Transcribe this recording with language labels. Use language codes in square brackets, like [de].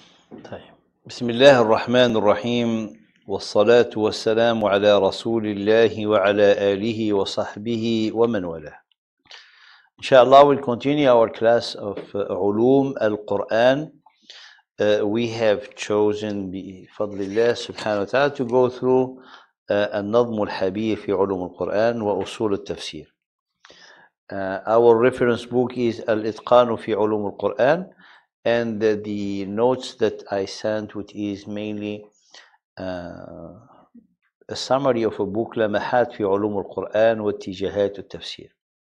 [ar] طيب، بسم الله الرحمن الرحيم، والصلاة والسلام على رسول الله وعلى آله وصحبه ومن والاه. إن شاء الله [en] we'll continue our class of [ar] علوم القرآن. [en] We have chosen [ar] بفضل الله سبحانه وتعالى [en] to go through [ar] النظم الحبيب في علوم القرآن وأصول التفسير. [en] Our reference book is الإتقان في علوم القرآن. And the notes that I sent, which is mainly a summary of a book, لمحات في علوم القرآن واتجاهات التفسير.